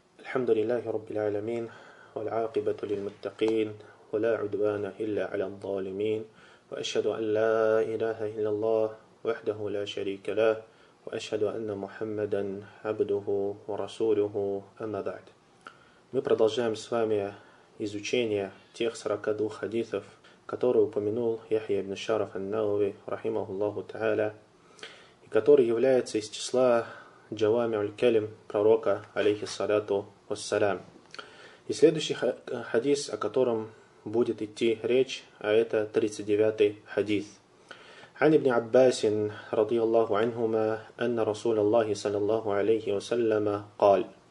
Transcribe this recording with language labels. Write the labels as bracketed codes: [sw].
[ar] الحمد لله رب العالمين، والعاقبة للمتقين، ولا عدوان إلا على الظالمين. وأشهد أن لا إله إلا الله وحده لا شريك له، وأشهد أن محمدا عبده ورسوله. أما بعد، [ru] мы продолжаем с вами изучение тех 42 хадисов, которые упомянул Яхья ибн Шараф ан-Науви рахимаху Аллаху тааля, и который является из числа Джавами аль-Калим пророка, алейхи саляту вассалям. И следующий хадис, о котором будет идти речь, а это 39-й хадис. [ar] عن ابن عباس رضي الله عنهما أن رسول الله صلى الله عليه وسلم قال.